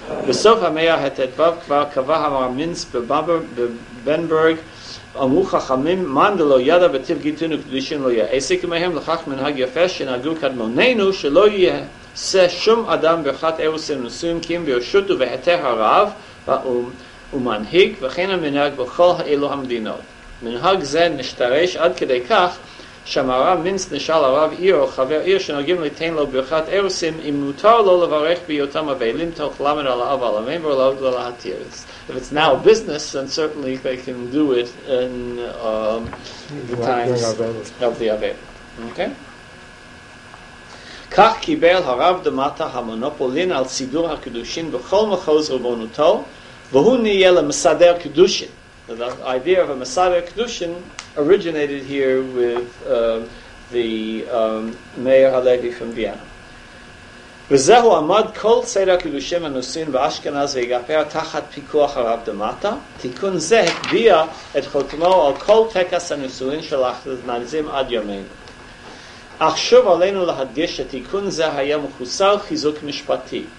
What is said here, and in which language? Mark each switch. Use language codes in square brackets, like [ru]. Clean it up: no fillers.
[he] בסוף המאה הט"ו כבר קבע המר מינץ בבנברג, אמרו חכמים, מאן דלא ידע בטיב גטין ופגושין לא יעסק מהם, לכך מנהג יפה שנהגו קדמוננו שלא יהיה עשה שום אדם ברכת אירוסין ונישואין כי אם ברשות ובהיתר הרב באום ומנהיג וכן המנהג בכל אלו המדינות. מנהג זה נשתרש עד כדי כך שאמרה מינץ נשאל הרב עיר או חבר עיר שנוהגים ליתן לו ברכת אירוסין אם מותר לו לברך בהיותם אבלים תוך למד על האב על המים ולא להתיר. [en] If it's now business, then certainly they can do it in the times of the Avel. Okay? [he] כך קיבל הרב דמטה המונופולין על סידור הקדושין בכל מחוז רבונותו, והוא נהיה למסדר קדושין. [en] The idea of a מסדר קדושין originated here with the mayor הלוי from Vienna. [he] וזהו עמד כל סדר קדושין הנושאים באשכנז והגפר תחת פיקוח הרב דמטה. תיקון זה הקביע את חותמו על כל טקס הנושאים של האשכנזים עד ימינו. אך שוב עלינו להדגיש שתיקון זה היה מחוסר חיזוק משפטי.